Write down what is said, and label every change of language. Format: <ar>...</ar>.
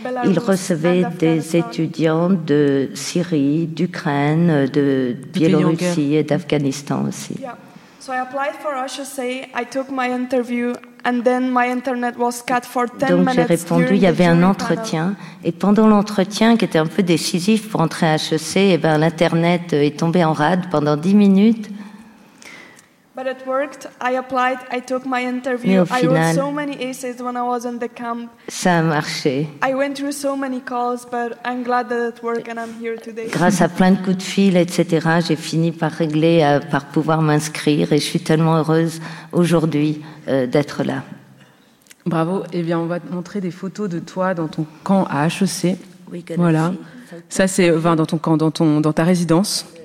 <fr>Ils recevaient des étudiants de Syrie, d'Ukraine, de Biélorussie et d'Afghanistan aussi.</fr> <en>So I applied for HEC, I took my interview, and then my internet was cut for 10 minutes.</en> <fr>Donc j'ai répondu, il y avait un entretien, et pendant l'entretien qui était un peu décisif pour entrer à HEC, et ben l'internet est tombé en rade pendant 10 minutes.</fr> <en>But it worked. I applied, I took my interview.</en> <fr>Mais au final,</fr> <en>I wrote so many essays when I was in the camp.</en> <fr>Ça a marché.</fr> <en>I went through so many calls, but I'm glad that it worked and I'm here today.</en> <fr>Grâce à plein de coups de fil, etc., j'ai fini par régler, par pouvoir m'inscrire, et je suis tellement heureuse aujourd'hui d'être là. Bravo. Eh bien, on va te montrer des photos de toi dans ton camp à HEC. Voilà. Ça, c'est dans ton camp, dans ta résidence.</fr>